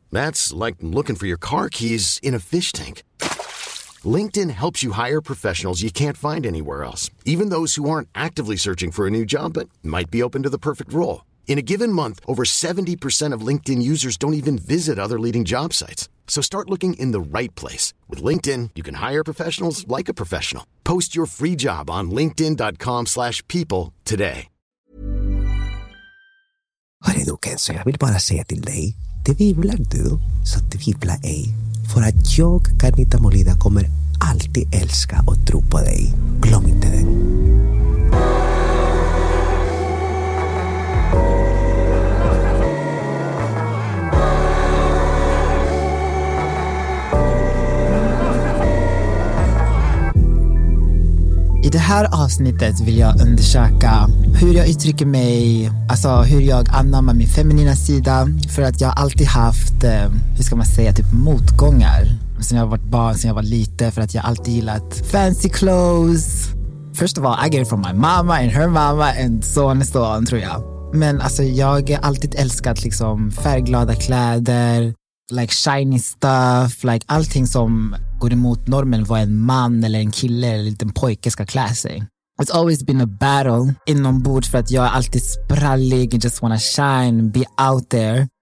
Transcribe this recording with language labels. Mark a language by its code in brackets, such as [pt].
[en] That's like looking for your car keys in a fish tank. LinkedIn helps you hire professionals you can't find anywhere else, even those who aren't actively searching for a new job but might be open to the perfect role. In a given month, over 70% of LinkedIn users don't even visit other leading job sites. So start looking in the right place. With LinkedIn, you can hire professionals like a professional. Post your free job on linkedin.com/people today. [sv] Har du kan säga, jag vill bara säga till dig, det vibblar du, så det vibblar ej. För att jag, Carnita Molida, kommer alltid älska och tro på dig. Glöm inte det. I det här avsnittet vill jag undersöka hur jag uttrycker mig, alltså hur jag anammar min feminina sida, för att jag alltid haft, hur ska man säga, typ motgångar sen jag varit barn, sen jag var lite, för att jag alltid gillat [en] fancy clothes. First of all, I get it from my mama and her mama and so on and so on, [sv] tror jag. Men alltså, jag har alltid älskat liksom färgglada kläder, [en] like shiny stuff, [sv] like allting som går emot normen vad en man eller en kille eller en liten pojke ska klä sig. [en] It's always been a battle [sv] inombords, för att jag är alltid sprallig [en] and just wanna shine, be out there.